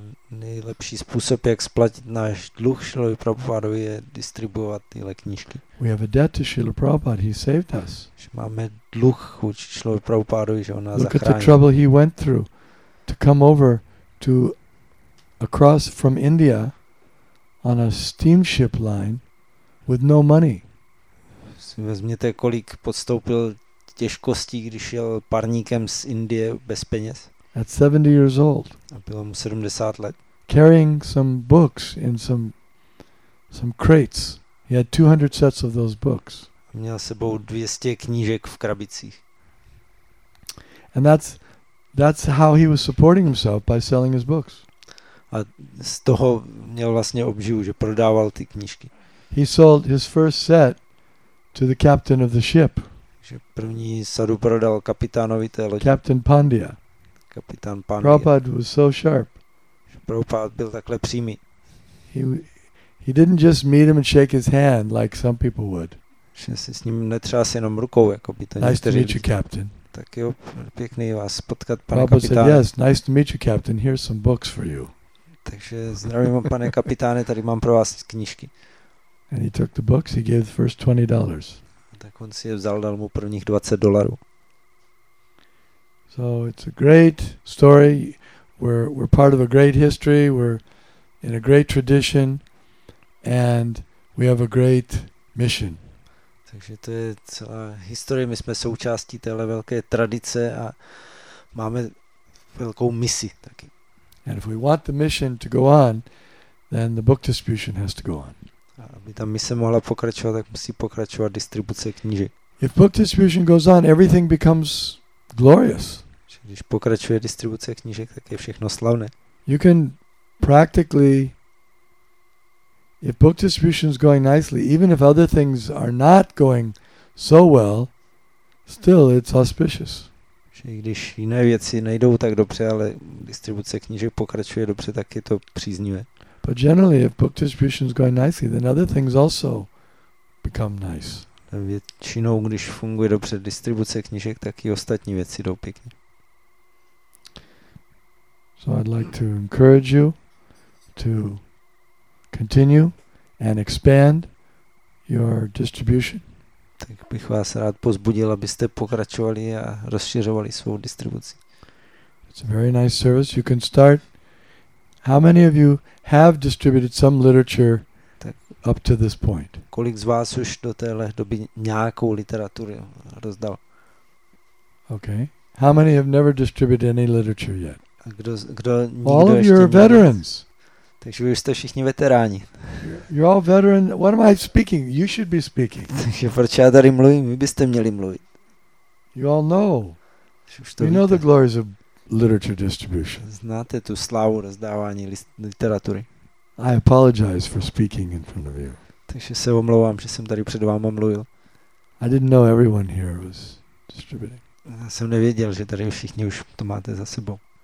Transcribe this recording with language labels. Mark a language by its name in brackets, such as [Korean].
[Czech] Nejlepší způsob, jak splatit náš dluh Šrilovi Prabhupádovi, je distribuovat tyhle knížky. [English] We have a debt to Srila Prabhupada. He saved us. [Czech] Máme dluh vůči Šrilovi Prabhupádovi, že on nás zachránil. [English] Look at the trouble he went through to come over to across from India on a steamship line with no money. [Czech] Si vezměte, kolik podstoupil těžkostí, když šel parníkem z Indie bez peněz. [English] At 70 years old. [Czech] A bylo mu 70 let. [English] Carrying some books in some crates. He had 200 sets of those books. [Czech] Měl sebou 200 knížek v krabicích. [English] And that's how he was supporting himself, by selling his books. [Czech] A z toho měl vlastně obživu, že prodával ty knížky. [English] He sold his first set to the captain of the ship. [Czech] Že první sadu prodal kapitánovi té lodi. [English] Captain Pandya. [Czech] Kapitán Pandya. [English] Prabhupada was so sharp. [Czech] Prabhupada byl takhle přímý. [English] He didn't just meet him and shake his hand like some people would. [Czech] Že se s ním netřás jenom rukou, jako by to nice někteří. [English] Nice to meet you, captain. [Czech] Tak jo, pěkný vás potkat, pane kapitáne. [English] Prabhupada said, yes, nice to meet you, captain. Here's some books for you. [Czech] Takže zdravím, pane kapitáne, tady mám pro vás knížky. [English] And he took the books, he gave the first $20. [Czech] Tak on si je vzal, dal mu prvních $20. [English] So it's a great story. We're part of a great history. We're in a great tradition, and we have a great mission. [Czech] Takže to je celá historie. My jsme součástí téhle velké tradice a máme velkou misi taky. [English] And if we want the mission to go on, then the book distribution has to go on. [Czech] A aby ta mise mohla pokračovat, tak musí pokračovat distribuce knížek. [English] If book distribution goes on, everything becomes glorious. [Czech] Když pokračuje distribuce knížek, tak je všechno slavné. [English] You can practically, if book distribution is going nicely, even if other things are not going so well, still it's auspicious. [Czech] Že když jiné věci nejdou tak dobře, ale distribuce knížek pokračuje dobře, tak je to příznivé. [English] But generally, if book distribution is going nicely, then other things also become nice. [Czech] Většinou, když funguje dobře distribuce knížek, tak i ostatní věci jdou pěkně. [English] So I'd like to encourage you to continue and expand your distribution. [Czech] Tak bych vás rád pozbudil, abyste pokračovali a rozšiřovali svou distribuci. [English] It's a very nice service. You can start. How many of you have distributed some literature up to this point? [Czech] Kolik z vás už do téhle doby nějakou literaturu rozdal? [English] Okay. How many have never distributed any literature yet? [Czech] A kdo nikdo [English] all of [Czech] ještě [English] are veterans. [Czech] Takže vy jste všichni veteráni. [English] You're all veteran. What am I speaking? You should be speaking. [Czech] Takže proč já tady mluvím? Vy byste měli mluvit. [English] You all know. You know the glories of literature distribution. [Czech] Znáte tu slávu rozdávání literatury. [English] I apologize for speaking in front of you. [Czech] Takže se omlouvám, že jsem tady před váma mluvil. [English] I didn't know everyone here was distributing. [Czech] Já jsem nevěděl, že tady všichni už to máte za sebou.